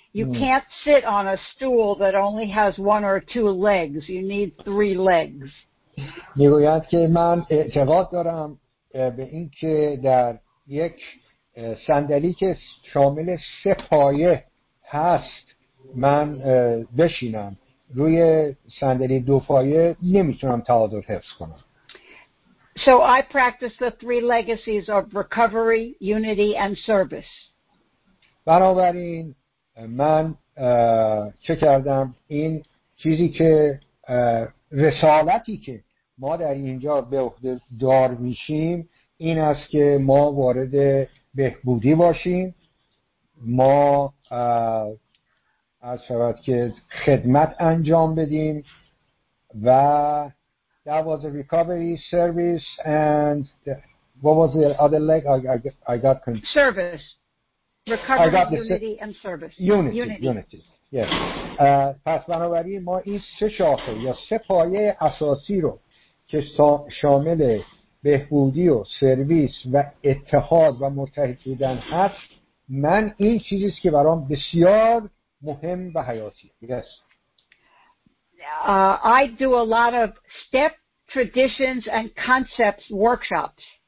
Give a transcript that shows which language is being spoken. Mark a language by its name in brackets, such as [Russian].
[English] You can't sit on a stool that only has one or two legs. You need three legs. [Persian] میگویند که من اعتقاد دارم به این که در یک صندلی که شامل سه پایه هست من بشینم. روی صندلی دو پایه نمیتونم تعادل حفظ کنم. [English] So I practice the three legacies of recovery, unity, and service. [Persian] بنابراین من چه کردم؟ این چیزی که رسالتی که ما در اینجا به عهده دار میشیم این است که ما وارد بهبودی باشیم، ما از شبت که خدمت انجام بدیم و [English] That was a recovery service, and what was the other leg? I got confused. Service, recovery, and service. Unity. Yes. [Persian] پس بنابراین ما این سه شاخه یا سه پایه اساسی رو که شامل بهبودی و سرویس و اتحاد و متحد بودن هست من این چیزیست که برام بسیار مهم و حیاتی. [English] Yes. I do a lot of step traditions and concepts workshops.